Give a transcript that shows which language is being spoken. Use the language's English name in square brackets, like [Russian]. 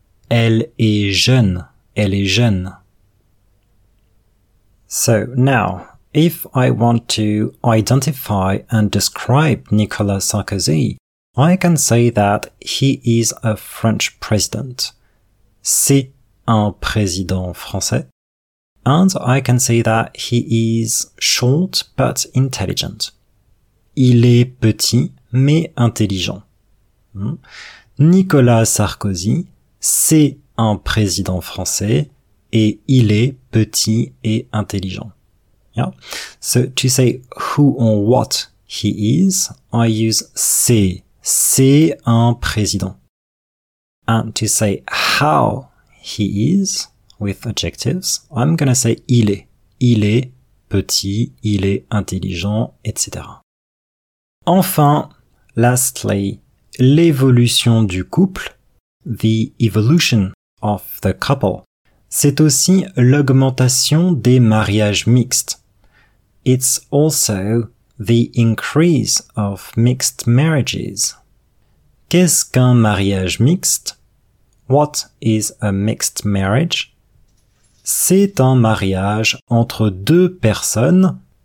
[French] Elle est jeune. Elle est jeune. [English] So now, if I want to identify and describe Nicolas Sarkozy, I can say that he is a French president. [French] C'est un président français. [English] And I can say that he is short but intelligent. [French] Il est petit mais intelligent. Nicolas Sarkozy, c'est un président français. Et il est petit et intelligent. [English] Yeah? So to say who or what he is, I use c'est. [French] C'est un président. [English] And to say how he is with adjectives, I'm gonna say il est. Il est [French] petit, il est intelligent, etc. Enfin, [English] lastly, [French] l'évolution du couple, [English] the evolution of the couple, [French] c'est aussi l'augmentation des mariages mixtes. [English] It's also the increase of mixed marriages. [French] Qu'est-ce qu'un mariage mixte? [English] What is a mixed marriage? [French] C'est un mariage entre deux personnes.